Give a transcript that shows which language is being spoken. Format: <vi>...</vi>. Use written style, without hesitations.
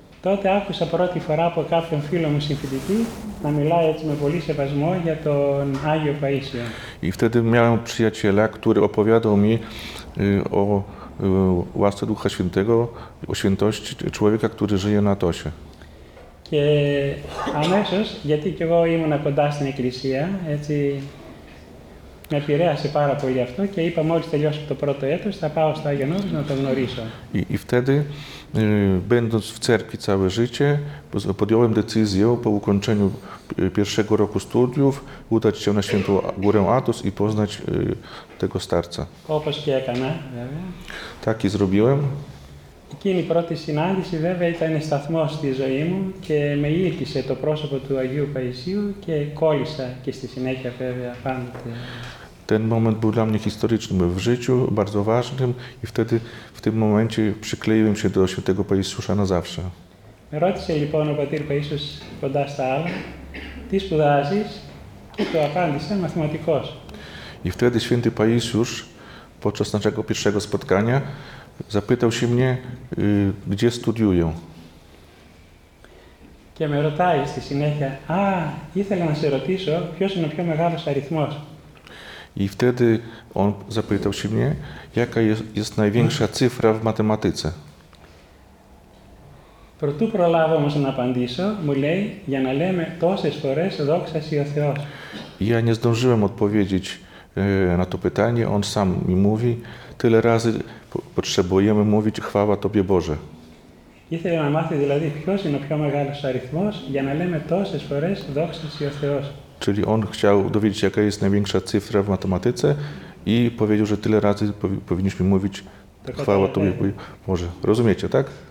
<el>Τότε άκουσα πρώτη φορά από κάποιον φίλο μου συμφοιτητή να μιλάει έτσι με πολύ σεβασμό για τον Άγιο Παΐσιο.</el> <pl>I wtedy miałem przyjaciela, który opowiadał mi o łasce Ducha Świętego, o świętości człowieka, który żyje na Tosie.</pl> <el>Και αμέσως, γιατί κι εγώ ήμουν κοντά στην εκκλησία, έτσι με επηρέασε πάρα πολύ αυτό και είπα μόλις τελειώσω το πρώτο έτος, θα πάω στο Άγιο Νόμος να το γνωρίσω.</el> <pl>I wtedy, będąc w cerkwi całe życie, podjąłem decyzję po ukończeniu pierwszego roku studiów udać się na Świętą Górę Athos i poznać tego starca.</pl> <el>Όπως και έκανα, βέβαια.</el> <pl>Tak i zrobiłem.</pl> <el>Εκείνη η πρώτη συνάντηση, βέβαια, ήταν σταθμός στη ζωή μου και με ήρκησε το πρόσωπο του Αγίου Παϊσίου και κόλλησα και στη συνέχεια, βέβαια, πάντοτε.</el> <pl>Ten moment był dla mnie historycznym w życiu, bardzo ważnym i wtedy, w tym momencie przykleiłem się do świętego Paisiusza na zawsze.</pl> <el>Ρώτησε λοιπόν ο πατήρ Παϊσιούς κοντά στα άλλα, τι σπουδάζεις, και του απάντησε μαθηματικός.</el> <pl>I wtedy święty Paisiusz, podczas naszego pierwszego spotkania, zapytał się mnie, gdzie studiuję.</pl> <el>Και με ρωτάει στη συνέχεια, α, ήθελα να σε ρωτήσω ποιος είναι ο πιο μεγάλος αριθμός.</el> <pl>I wtedy on zapytał się mnie, jaka jest największa cyfra w matematyce.</pl> <el>Προτού προλάβω όμως να απαντήσω, μου λέει, για να λέμε τόσες φορές δόξα σοι ο Θεός.</el> <pl>Ja nie zdążyłem odpowiedzieć na to pytanie, on sam mi mówi, tyle razy potrzebujemy mówić chwała Tobie Boże.</pl> <el>Ήθελε να μάθει δηλαδή ποιος είναι ο πιο μεγάλος αριθμός, για να λέμε τόσες φορές δόξα σοι ο Θεός.</el> <pl>Czyli on chciał dowiedzieć się, jaka jest największa cyfra w matematyce i powiedział, że tyle razy powinniśmy mówić tak chwała Tobie Boże. Rozumiecie, tak?</pl>